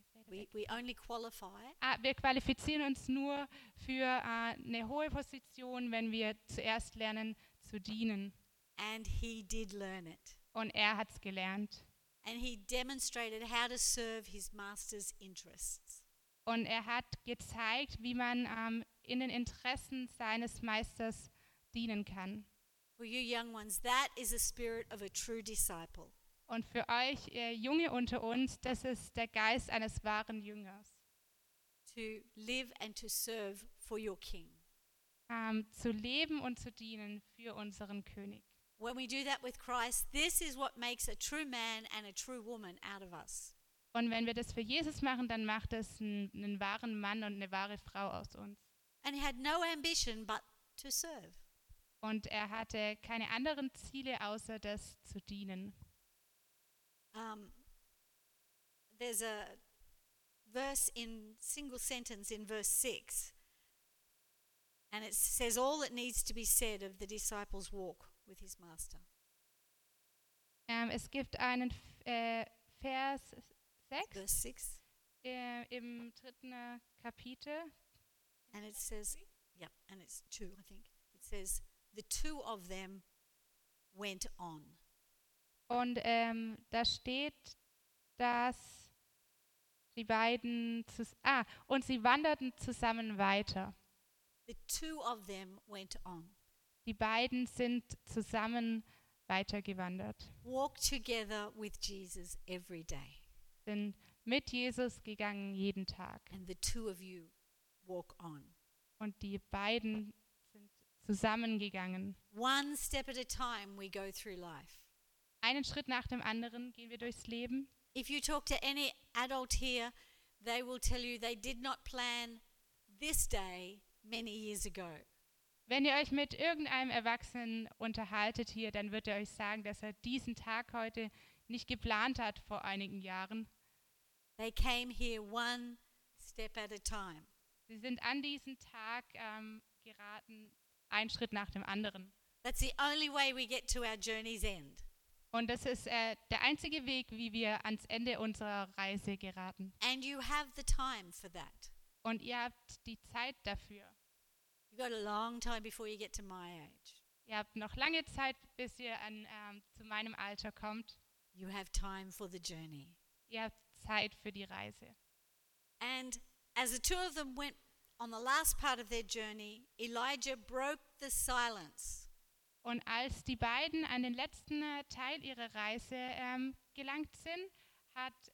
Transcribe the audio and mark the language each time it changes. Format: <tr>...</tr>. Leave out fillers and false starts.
<de>Wir qualifizieren uns nur für eine hohe Position, wenn wir zuerst lernen zu dienen.</de> <en>And he did learn it.</en> <de>Und er hat's gelernt.</de> <en>And he demonstrated how to serve his master's interests.</en> <de>Und er hat gezeigt, wie man in den Interessen seines Meisters dienen kann.</de> <en>For you young ones, that is the spirit of a true disciple.</en> <de>Und für euch, ihr Junge unter uns, das ist der Geist eines wahren Jüngers.</de> <en>To live and to serve for your king.</en> <de>Zu leben und zu dienen für unseren König.</de> <en>When we do that with Christ, this is what makes a true man and a true woman out of us.</en> <de>Und wenn wir das für Jesus machen, dann macht es einen wahren Mann und eine wahre Frau aus uns.</de> <en>And he had no ambition but to serve.</en> <de>Und er hatte keine anderen Ziele außer das zu dienen.</de> <en>There's a verse in single sentence in verse 6. And it says all that needs to be said of the disciples' walk with his master.</en> <de>Es gibt einen Vers 6.</de> <en>Verse 6.</en> <de>Im dritten Kapitel.</de> <en>And it says, yep, and it's 2, I think. It says, the two of them went on.</en> <de>Und da steht, dass die beiden und sie wanderten zusammen weiter.</de> <en>The two of them went on.</en> <de>Die beiden sind zusammen weitergewandert.</de> <en>Walk together with Jesus every day.</en> <de>Sind mit Jesus gegangen jeden Tag.</de> <en>And the two of you walk on.</en> <de>Und die beiden sind zusammen gegangen.</de> <en>One step at a time we go through life.</en> <de>Einen Schritt nach dem anderen gehen wir durchs Leben.</de> <en>If you talk to any adult here, they will tell you they did not plan this day many years ago.</en> <de>Wenn ihr euch mit irgendeinem Erwachsenen unterhaltet hier, dann wird er euch sagen, dass er diesen Tag heute nicht geplant hat vor einigen Jahren.</de> <en>They came here one step at a time.</en> <de>Sie sind an diesen Tag geraten, einen Schritt nach dem anderen.</de> <en>That's the only way we get to our journey's end.</en> <de>Und das ist der einzige Weg, wie wir ans Ende unserer Reise geraten.</de> <en>And you have the time for that.</en> <de>Und ihr habt die Zeit dafür.</de> <en>You got a long time before you get to my age.</en> <de>Ihr habt noch lange Zeit, bis ihr zu meinem Alter kommt.</de> <en>You have time for the journey.</en> <de>Ihr habt Zeit für die Reise.</de> <en>And as the two of them went on the last part of their journey, Elijah broke the silence.</en> <de>Und als die beiden an den letzten Teil ihrer Reise gelangt sind, hat</de>